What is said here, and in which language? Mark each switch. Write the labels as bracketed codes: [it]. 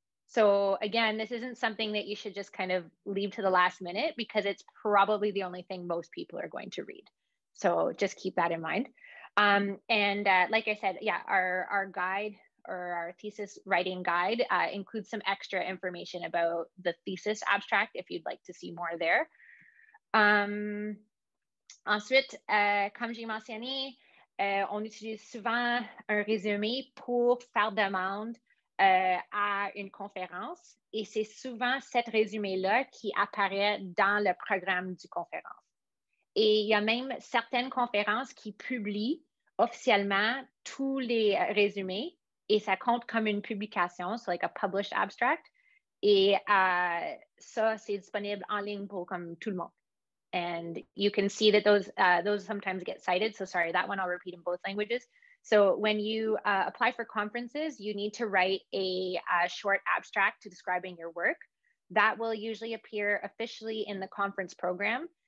[en] So again, this isn't something that you should just kind of leave to the last minute because it's probably the only thing most people are going to read. So just keep that in mind. Like I said, yeah, our guide or our thesis writing guide includes some extra information about the thesis abstract if you'd like to see more there. [fr] Ensuite, comme j'ai mentionné, on utilise souvent un résumé pour faire demande à une conférence et c'est souvent cet résumé-là qui apparaît dans le programme du conférence. Et il y a même certaines conférences qui publient officiellement tous les résumés et ça compte comme une publication, [en] so like a published abstract. [fr] Et ça, c'est disponible en ligne pour comme tout le monde. [en] And you can see that those sometimes get cited. So sorry, that one I'll repeat in both languages. So when you apply for conferences, you need to write a short abstract to describing your work. That will usually appear officially in the conference program.